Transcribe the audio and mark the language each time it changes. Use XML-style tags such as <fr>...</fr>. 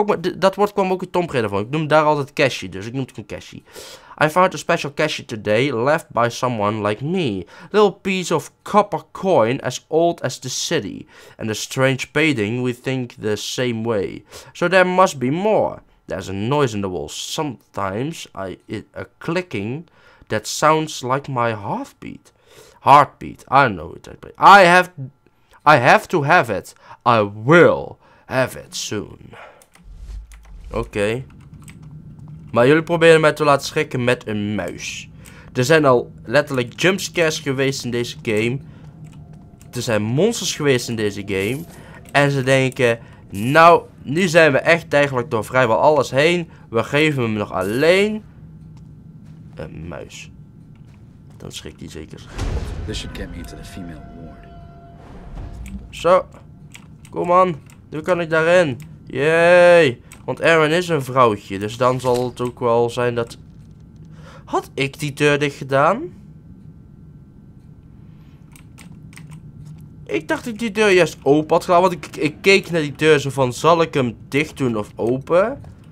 <nl>Dat woord kwam ook in Tomb Raider van. Ik noem daar altijd Cashy, dus ik noem het gewoon Cashy.</nl> <en>I found a special Cashy today, left by someone like me. Little piece of copper coin as old as the city. And a strange painting, we think the same way. So there must be more. There's a noise in the walls. Sometimes a clicking that sounds like my heartbeat. I have to have it. I will have it soon. Oké.</en> <nl>Maar jullie proberen mij te laten schrikken met een muis. Er zijn al letterlijk jumpscares geweest in deze game. Er zijn monsters geweest in deze game. En ze denken, nou, nu zijn we echt eigenlijk door vrijwel alles heen. We geven hem nog alleen een muis. Dan schrikt hij zeker.</nl> <en>This should get me into the female ward.</en> <nl>Zo, kom man, nu kan ik daarin. Yay, want Erin is een vrouwtje, dus dan zal het ook wel zijn dat... Had ik die deur dicht gedaan? Ik dacht dat ik die deur juist open had gedaan, want ik keek naar die deur zo van, zal ik hem dicht doen of open?</nl>